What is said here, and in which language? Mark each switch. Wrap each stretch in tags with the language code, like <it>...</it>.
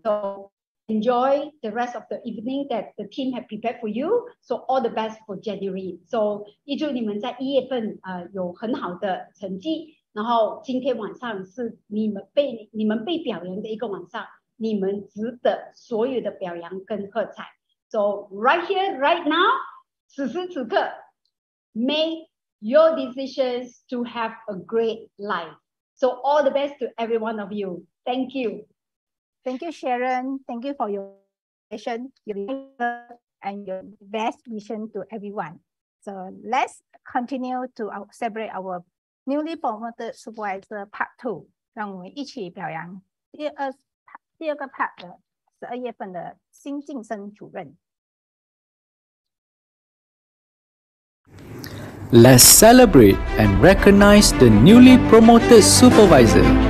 <en>So, enjoy the rest of the evening that the team have prepared for you. So, all the best for January.</en> <zh>So, 预祝你们在一月份有很好的成绩。然后今天晚上是你们被表扬的一个晚上，你们值得所有的表扬跟喝彩。</zh> <en>So right here, right now,</en> <zh>此时此刻,</zh> <en>make your decisions to have a great life. So all the best to every one of you. Thank you. Thank you, Sharon. Thank you for your vision, your leader, and your best vision to everyone. So let's continue to celebrate our newly promoted supervisor part two.</en> <zh>让我们一起表扬第二个 part 的12月份的新晋升主任。</zh> <en>Let's celebrate and recognize the newly promoted supervisor.</en>